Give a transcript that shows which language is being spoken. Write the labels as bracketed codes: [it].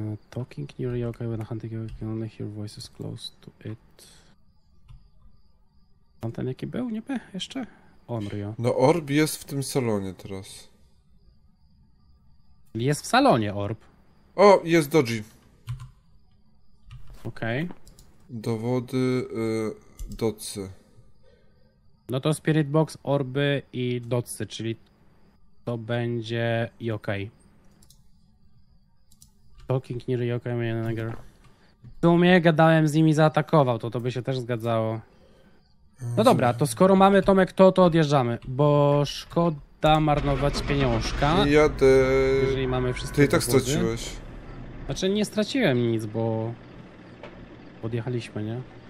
[en] Talking near yokai when hunting you can only hear voices close to it. [pl] On ten jaki był? Nie wiem, jeszcze? Onryo. No orb jest w tym salonie teraz. Jest w salonie orb. O, jest Dodge. Okej. Okay. Dowody docy. No to Spirit Box, orby i docy, czyli to będzie yokai. [en] Talking near yokai, manager. [pl] W sumie gadałem z nimi, zaatakował, to by się też zgadzało. No dobra, to skoro mamy Tomek, to odjeżdżamy, bo szkoda marnować pieniążka. Jadę. Jeżeli mamy wszystkie. Ty i tak straciłeś. Znaczy, nie straciłem nic, bo odjechaliśmy, nie?